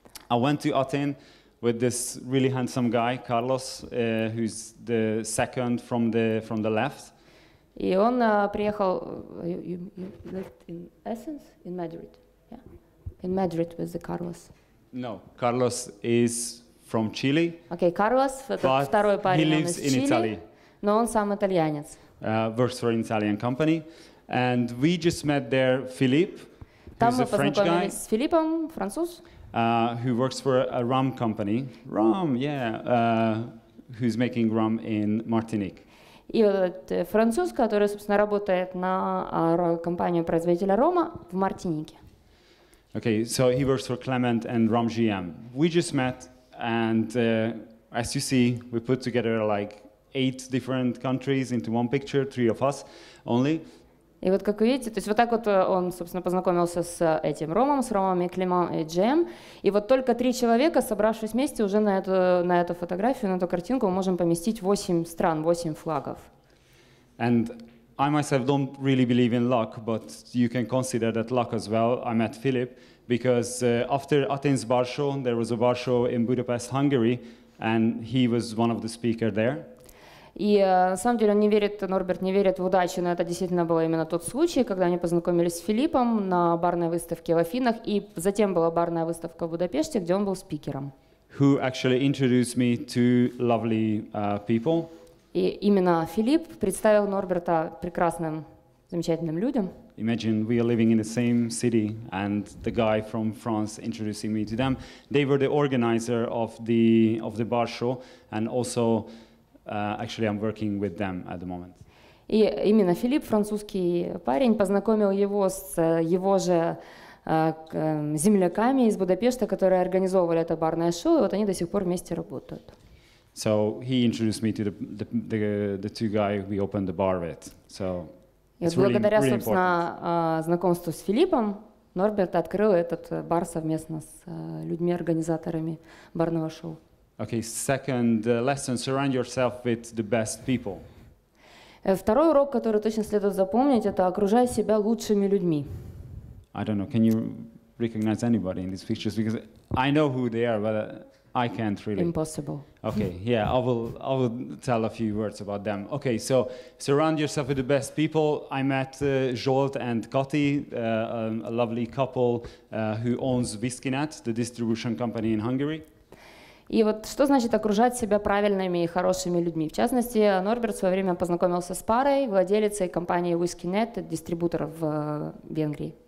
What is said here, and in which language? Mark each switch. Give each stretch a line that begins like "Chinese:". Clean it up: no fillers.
English: I went to Athens with this really handsome guy, Carlos, who's the second from the left.
Russian: И он приехал
English: you lived in Athens, in Madrid. In Madrid with the Carlos. No, Carlos is from Chile.
Russian: Okay, Carlos, второй парень,
English: he lives in Italy.
Russian: Но он сам итальянец.
English: Works for an Italian company. And we just met there Philip, who's a French guy.
Russian: Там мы познакомились с Филиппом, француз.
English: Who works for a rum company. Rum, yeah. Who's making rum in Martinique.
Russian: И вот этот француз, который, собственно, работает на компанию-производителя рома в Мартинике.
English: Okay, so he works for Clement and Rum GM. We just met, and as you see, we put together like 8 different countries into one picture, 3 of us only.
Russian: И вот как вы видите, то есть вот так вот он, собственно, познакомился с этим Ромом, с Ромами, Клемом и Джем. И вот только 3 человека, собравшись вместе, уже на эту фотографию, на эту картинку, мы можем поместить 8 стран, 8 флагов.
English: And I myself don't really believe in luck, but you can consider that luck as well. I met Philip because after Athens Bar Show, there was a bar show in Budapest, Hungary, and he was one of the speakers there.
Russian: И на самом деле он не верит, Норберт не верит в удачу, но это действительно был именно тот случай, когда они познакомились с Филиппом на барной выставке в Афинах, и затем была барная выставка в Будапеште, где он был спикером.
English: Who actually introduced me to lovely people.
Russian: И именно Филипп представил Норберта прекрасным, замечательным людям.
English: Imagine we are living in the same city and the guy from France introducing me to them. They were the organizer of the bar show and also actually I'm working with them at the moment.
Russian: И именно Филипп, французский парень, познакомил его с его же земляками из Будапешта, которые организовывали это барное шоу, и вот они до сих пор вместе работают.
English: So he introduced me to the two guys we opened the bar with. So it's
Russian: благодаря,
English: really
Russian: собственно, знакомству с Филиппом, Норберт открыл этот бар совместно с людьми, организаторами барного шоу.
English: Okay, second lesson: surround yourself with the best people.
Russian: Второй урок, который точно следует запомнить, это окружай себя лучшими людьми.
English: I don't know. Can you recognize anybody in these pictures? Because I know who they are, but I can't really. Impossible. Okay. Yeah, I will tell a few words about them. Okay. So surround yourself with the best people. I met Jolt and Kati, a lovely couple who owns Viskinet, the distribution company in Hungary.
Russian: И вот что значит окружать себя правильными и хорошими людьми? В частности, Норберт в свое время познакомился с парой, владелицей компании Viskinet, дистрибьютором в Венгрии.